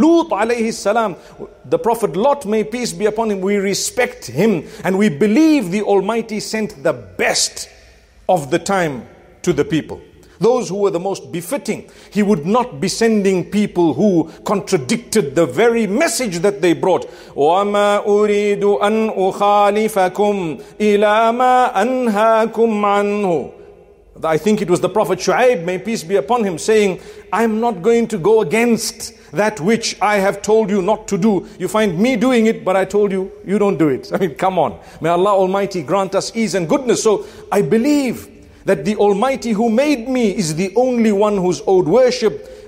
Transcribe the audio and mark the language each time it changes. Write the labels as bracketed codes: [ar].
[en] Lut alayhi salam, the Prophet Lot, may peace be upon him, we respect him. And we believe the Almighty sent the best of the time to the people, those who were the most befitting. He would not be sending people who contradicted the very message that they brought. [ar] وَمَا أُرِيدُ أَنْ أُخَالِفَكُمْ إِلَى مَا أَنْهَاكُمْ عَنْهُ. [en] I think it was the Prophet Shu'aib, may peace be upon him, saying, I'm not going to go against that which I have told you not to do. You find me doing it, but I told you, you don't do it. I mean, come on. May Allah Almighty grant us ease and goodness. So I believe that the Almighty who made me is the only one who's owed worship.